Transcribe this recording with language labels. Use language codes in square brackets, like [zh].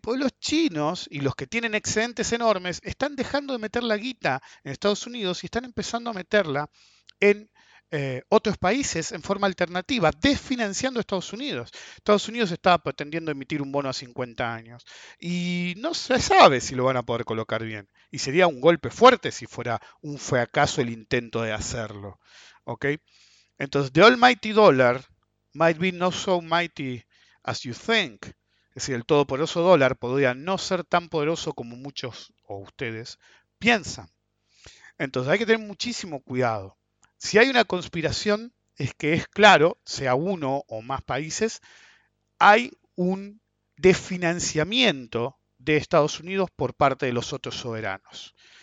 [es] Porque los chinos y los que tienen excedentes enormes están dejando de meter la guita en Estados Unidos y están empezando a meterla en otros países en forma alternativa, desfinanciando a Estados Unidos. Estados Unidos estaba pretendiendo emitir un bono a 50 años y no se sabe si lo van a poder colocar bien. Y sería un golpe fuerte si fuera un fracaso el intento de hacerlo. ¿Okay? [en] Entonces, the almighty dollar might be not so mighty as you think. [es] Es decir, el todopoderoso dólar podría no ser tan poderoso como muchos o ustedes piensan. Entonces, hay que tener muchísimo cuidado. Si hay una conspiración, es que es claro, sea uno o más países, hay un desfinanciamiento de Estados Unidos por parte de los otros soberanos.